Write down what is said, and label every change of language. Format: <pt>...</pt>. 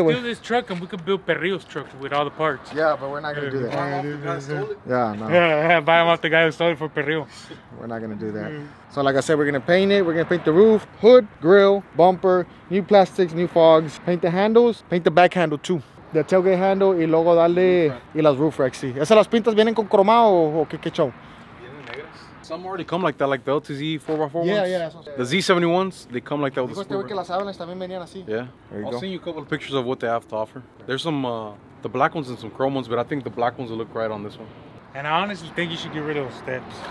<en>güey. We can steal this truck and we can build Perrillo's truck with all the parts. Yeah, but we're not going to do that. Yeah, no. Yeah, buy them off the guy who stole it for Perrillo. We're not going to do that. So like I said, we're going to paint it. We're going to paint the roof, hood, grill, bumper, new plastics, new fogs. Paint the handles. Paint the back handle too. The tailgate handle</en> <es>y luego dale y las</es> <en>roof racks.</en> <es>¿Esas las pintas vienen con cromado o qué show?</es> <en>Some already come like that, like the LTZ 4x4 ones. Yeah, yeah. The Z71s, they come like that with the spoiler. Yeah, there you go. I'll send you a couple of pictures of what they have to offer. There's some the black ones and some chrome ones, but I think the black ones will look right on this one. And I honestly think you should get rid of those steps.</en>